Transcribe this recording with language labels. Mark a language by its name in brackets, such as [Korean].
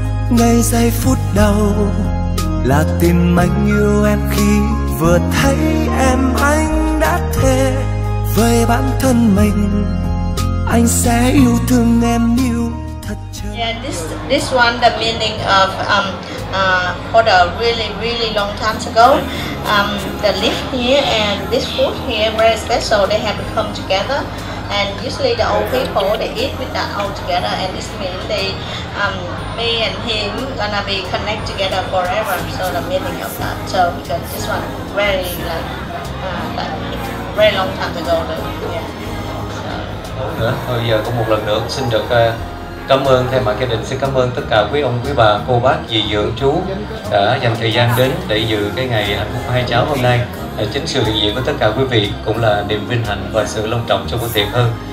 [Vietnamese] ngay giây phút đầu là tìm anh yêu em. Khi vừa thấy em anh đã thề với bản thân mình anh sẽ yêu thương em yêu thật chân. [English] Yeah, this one the meaning of for the really really long time ago, the leaf here and this food here very special. They have to come together and usually the old people they eat with that all together, and this means they me and him gonna be connect together forever. So the meaning of that, so because this one very like very long time ago though. [Vietnamese] Nữa. Thôi giờ cũng một lần nữa xin được cảm ơn thay mặt gia đình, xin cảm ơn tất cả quý ông, quý bà, cô bác, dì dưỡng, chú đã dành thời gian đến để dự cái ngày hạnh phúc của hai cháu hôm nay. Chính sự hiện diện của tất cả quý vị cũng là niềm vinh hạnh và sự long trọng cho buổi tiệc hơn.